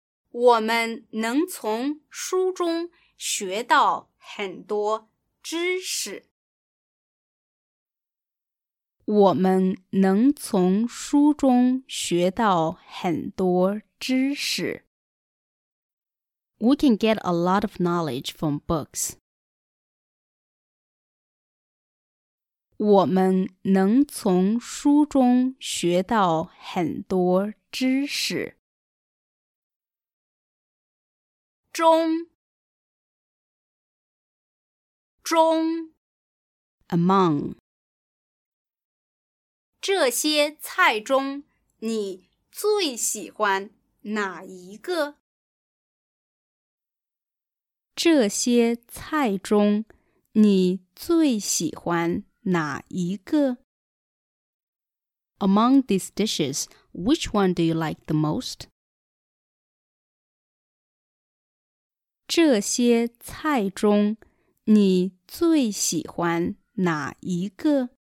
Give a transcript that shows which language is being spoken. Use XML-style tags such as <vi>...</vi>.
<zh>我们能从书中学到很多知识。我们能从书中学到很多知识。</zh> <en>We can get a lot of knowledge from books.</en> <zh>我们能从书中学到很多知识。钟，钟</zh> <en>，among。</en> <zh>这些菜中，你最喜欢哪一个？这些菜中，你最喜欢哪一个？</zh> <en>Among these dishes, which one do you like the most?</en> <zh>这些菜中，你最喜欢哪一个？</zh>